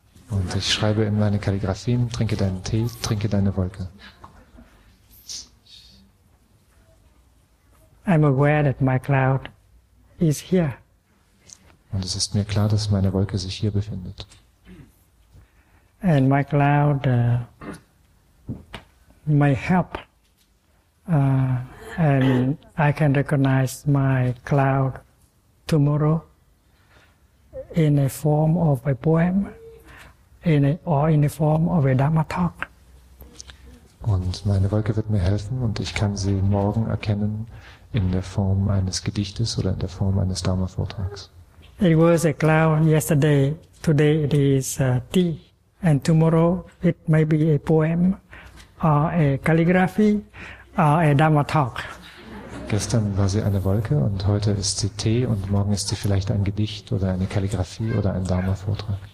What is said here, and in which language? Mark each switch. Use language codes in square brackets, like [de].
[de] Und ich schreibe in meine Kalligrafien, trinke deinen Tee, trinke deine Wolke. [en] I'm aware that my cloud is here. [de] Und es ist mir klar, dass meine Wolke sich hier befindet. [en] And my cloud may help. And I can recognize my cloud tomorrow in a form of a poem. In the form of a Dharma talk. [de] Und meine Wolke wird mir helfen und ich kann sie morgen erkennen in der Form eines Gedichtes oder in der Form eines Dharma-Vortrags. [en] It was a cloud yesterday, today it is tea, and tomorrow it may be a poem or a calligraphy or a Dharma talk. [de] Gestern war sie eine Wolke und heute ist sie Tee und morgen ist sie vielleicht ein Gedicht oder eine Kalligraphie oder ein Dharma-Vortrag.